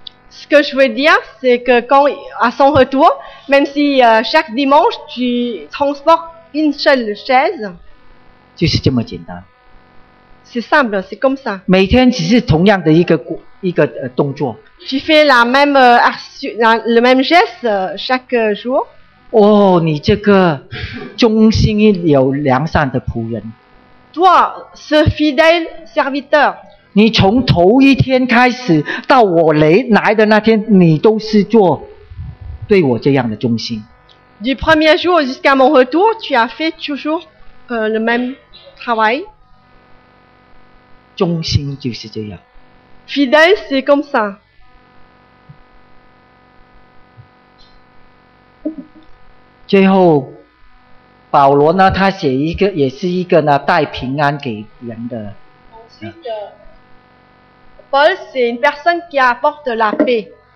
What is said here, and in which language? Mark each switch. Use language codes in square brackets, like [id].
[fr] Ce que je veux dire, c'est que quand, à son retour, même si chaque dimanche tu transportes une seule chaise, c'est C'est simple, c'est comme ça. [zh] 每天只是同样的一个动作。 [fr] Tu fais la même le même geste chaque jour. [zh] 哦，你这个忠心有良善的仆人。 [fr] Toi, ce fidèle serviteur. [zh] 你从头一天开始到我来的那天，你都是做对我这样的忠心。 [fr] Du premier jour jusqu'à mon retour, tu as fait toujours le même travail. [zh] 忠心就是这样。 [fr] Fidèle, c'est comme ça. [zh] 最后保罗呢他写一个也是一个呢带平安给人的。 [fr] Ensuite, Paul, c'est une personne qui apporte la paix.